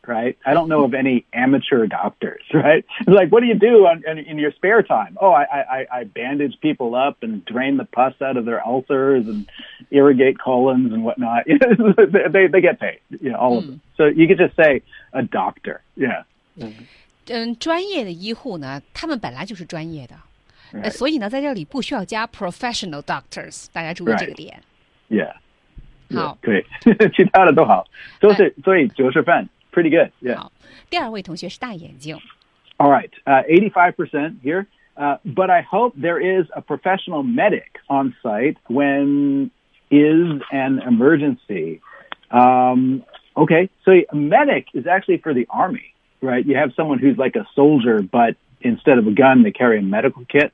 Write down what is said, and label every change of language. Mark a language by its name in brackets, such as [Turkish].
[English] Right, I don't know of any amateur doctors. Right, like what do you do in your spare time? Oh, I bandage people up and drain the pus out of their ulcers and irrigate colons and whatnot. they get paid, you know, all of them. So you could just say a doctor. Yeah. [Chinese] 嗯，专业的医护呢，他们本来就是专业的， [English] right. [Chinese] 所以呢，在这里不需要加 professional doctors. 大家注意这个点。 [English] Right. Yeah. [Chinese] 好。 Yeah, 对，其他的都好，都是所以90分。 [English] Pretty good. Yeah. [Chinese] 好，第二位同学是大眼睛。 [English] All right, 85% here. But I hope there is a professional medic on site when is an emergency. Okay, so a medic is actually for the army, right? You have someone who's like a soldier, but instead of a gun, they carry a medical kit.